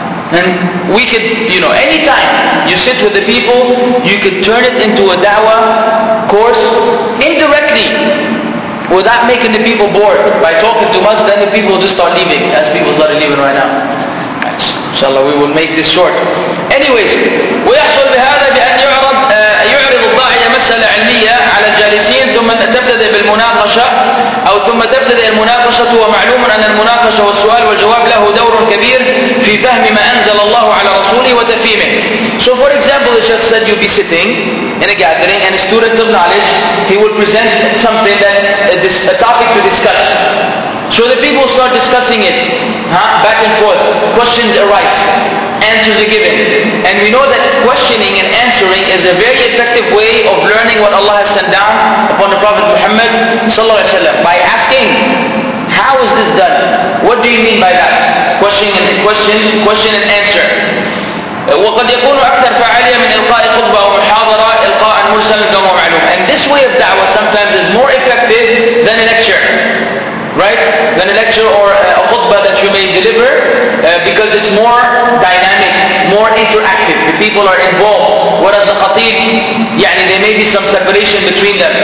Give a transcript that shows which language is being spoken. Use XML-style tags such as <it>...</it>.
<en>And we could, you know, anytime you sit with the people, you could turn it into a da'wah course indirectly. Without making the people bored by talking too much, then the people just start leaving, as people started leaving right now. Inshallah, we will make this short. Anyways,</en> <ar>ويحصل بهذا بأن يعرض الداعي مسألة علمية على الجالسين ثم تبدأ بالمناقشة أو ثم تبدأ المناقشة ومعلوم أن المناقشة والسؤال والجواب له دور كبير في فهم ما أنزل الله على رسوله وتفهيمه.</ar> <en>So for example, the Shaykh said you'll be sitting in a gathering and a student of knowledge, he will present something that is a topic to discuss. So the people start discussing it, huh? Back and forth. Questions arise, answers are given. And we know that questioning and answering is a very effective way of learning what Allah has sent down upon the Prophet Muhammad sallallahu alaihi wasallam by asking, how is this done? What do you mean by that? Question and answer.</en> <ar>وقد يكون أكثر فعالية من إلقاء خطبة أو محاضرة إلقاء مرسل كما معلوم.</ar> <en>And this way of da'wah sometimes is more effective than a lecture, right? Than a lecture or a khutbah that you may deliver, because it's more dynamic, more interactive. The people are involved. Whereas the khatib, يعني there may be some separation between them.</en>